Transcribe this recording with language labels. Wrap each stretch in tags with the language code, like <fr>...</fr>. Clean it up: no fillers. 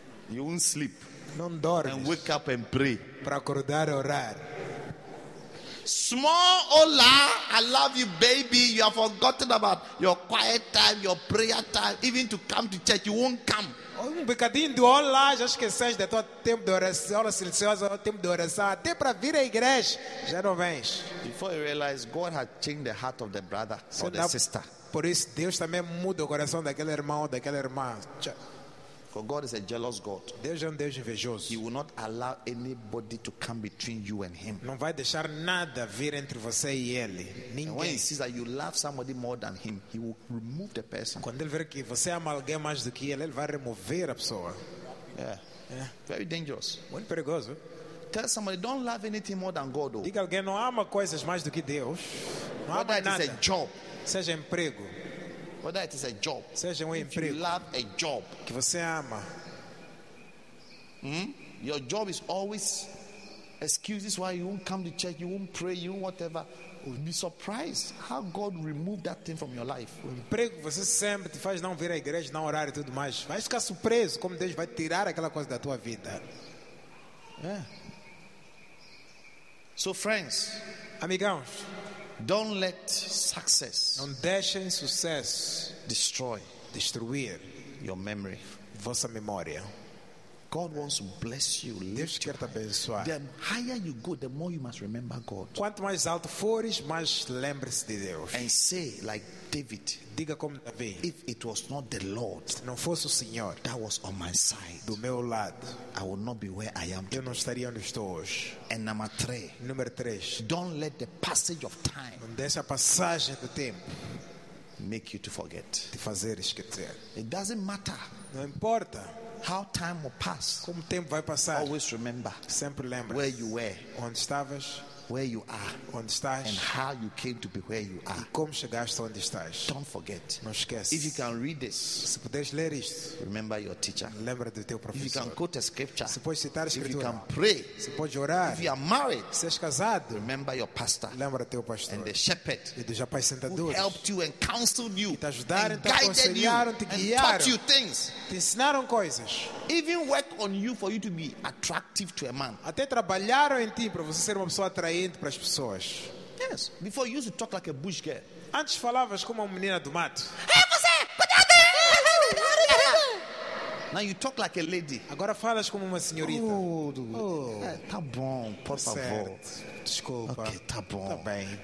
<en>You won't sleep.</en> <pt>Não dorme.</pt> <en>And wake up and pray.</en> <pt>Para acordar e orar.</pt> <en>Small hola, I love you, baby. You have forgotten about your quiet time, your prayer time, even to come to church. You won't come.</en> <pt>Um bocadinho de olá, já esqueces de teu tempo de oração, hora silenciosa, tempo de oração, até para vir à igreja, já não vens.</pt> <en>Before you realize, God had changed the heart of the brother so or the sister.</en> <pt>Por isso Deus também muda o coração daquele irmão ou daquela irmã.</pt> <en>For God is a jealous God.</en> <pt>Deus é Deus invejoso.</pt> <en>He will not allow anybody to come between you and him.</en> <pt>Não vai deixar nada vir entre você e ele. Ninguém.</pt> <en>When he sees that you love somebody more than him, he will remove the person.</en> <pt>Quando ele ver que você ama alguém mais do que ele, ele vai remover a pessoa.</pt> <en>Yeah. Very dangerous.</en> <pt>Muito perigoso.</pt> <en>Tell somebody don't love anything more than God.</en> <pt>Diga alguém não ama coisas mais do que Deus. Não ama nada.</pt> <en>Whether it is a job.</en> <pt>Seja emprego.</pt> <en>Whether it is a job,</en> <pt>seja emprego,</pt> <en>you love a job</en> <pt>que você ama.</pt> <en>Your job is always excuses why you won't come to church, you won't pray, you won't whatever. You'll be surprised how God removed that thing from your life.</en> <pt>O emprego você sempre te faz não vir à igreja, não orar e tudo mais. Vai ficar surpreso como Deus vai tirar aquela coisa da tua vida.</pt> <en>Yeah. So friends,</en> <pt>amigãos,</pt> <en>don't let success,</en> <pt>não deixem sucesso, destruir</pt> <en>your memory,</en> <pt>vossa memória.</pt> <en>God wants to bless you.</en> <pt>Deus quer te abençoar.</pt> <en>The higher you go, the more you must remember God.</en> <pt>Quanto mais alto fores, mais lembre-se de Deus.</pt> <en>And say like David,</en> <pt>diga como Davi,</pt> <en>if it was not the Lord,</en> <pt>se não fosse o Senhor,</pt> <en>that was on my side,</en> <pt>do meu lado,</pt> <en>I would not be where I am.</en> <pt>Eu não estaria onde estou hoje.</pt> <en>And number three,</en> <pt>número três,</pt> <en>don't let the passage of time,</en> <pt>não deixe a passagem do tempo,</pt> <en>make you to forget,</en> <pt>te fazer esquecer.</pt> <en>It doesn't matter,</en> <pt>não importa.</pt> <en>How time will pass.</en> <pt>Como o tempo vai passar.</pt> <en>Always remember.</en> <pt>Sempre lembra.</pt> <en>Where you were.</en> <pt>Onde estavas.</pt> <en>Where you are.</en> <pt>Onde estás.</pt> <en>And how you came to be where you are.</en> <pt>E como chegaste onde estás.</pt> <en>Don't forget.</en> <pt>Não esquece.</pt> <en>If you can read this.</en> <pt>Se puderes ler isto.</pt> <en>Remember your teacher.</en> <pt>Lembra do teu professor.</pt> <en>If you can quote a scripture.</en> <pt>Se podes citar a escritura.</pt> <en>If you can pray.</en> <pt>Se podes orar.</pt> <en>If you are married.</en> <pt>Se és casado.</pt> <en>Remember your pastor.</en> <pt>Lembra teu pastor.</pt> <en>And the shepherd.</en> <pt>E dos rapazes sentadores.</pt> <en>Who helped you and counseled you.</en> <pt>E te ajudaram, te aconselharam, te guiaram.</pt> <en>And taught you things.</en> <pt>Te ensinaram coisas.</pt> <en>Even work on you for you to be attractive to a man.</en> <pt>Até trabalharam em ti para você ser uma pessoa atraente para as pessoas.</pt> <en>Yes. Before you used to talk like a bush girl.</en> <pt>Antes falavas como uma menina do mato. Hey, você!</pt> <en>Now you talk like a lady.</en> <pt>Agora falas como uma senhorita. Tá bom, por certo. Favor. Desculpa. Ok, tá bom. Tá bem.</pt>